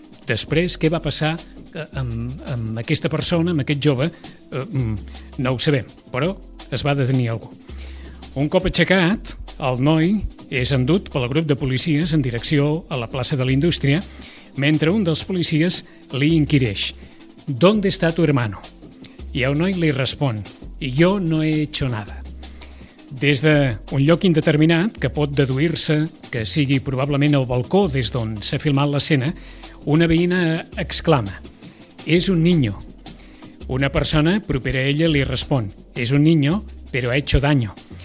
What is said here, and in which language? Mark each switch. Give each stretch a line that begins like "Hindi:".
Catalan: Després, què va passar amb aquesta persona, amb aquest jove? No ho sabem, però es va detenir algú. Un cop aixecat, el noi és endut pel grup de policies en direcció a la plaça de la Indústria, mentre un dels policies li inquireix:
Spanish: ¿Dónde está tu hermano?
Catalan: I el noi li respon:
Spanish: Yo no he hecho nada.
Catalan: Des d'un lloc indeterminat, que pot deduir-se que sigui probablement el balcó des d'on s'ha filmat l'escena, una veïna exclama:
Spanish: És un niño.
Catalan: Una persona propera a ella li respon:
Spanish: És un niño, però ha hecho daño.